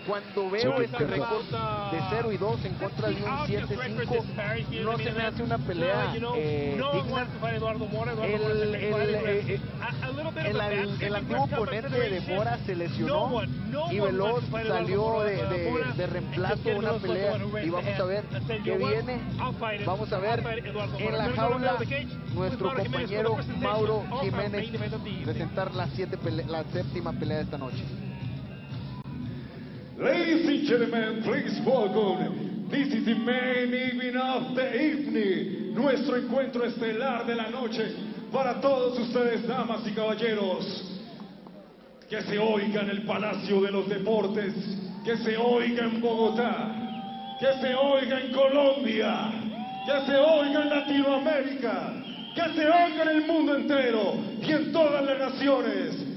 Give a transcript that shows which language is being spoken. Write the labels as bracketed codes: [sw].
[es] Cuando veo este récord de 0 y 2 en contra de un 7-5, no se me hace una pelea El antiguo oponente de Mora se lesionó y Veloz salió de reemplazo a una pelea, y vamos a ver qué viene. Vamos a ver en la jaula nuestro compañero Mauro Jiménez presentar la séptima pelea de esta noche. [en] Ladies and gentlemen, please welcome. This is the main event of the evening. [es] Nuestro encuentro estelar de la noche. Para todos ustedes, damas y caballeros, que se oiga en el Palacio de los Deportes, que se oiga en Bogotá, que se oiga en Colombia, que se oiga en Latinoamérica, que se oiga en el mundo entero y en todas las naciones.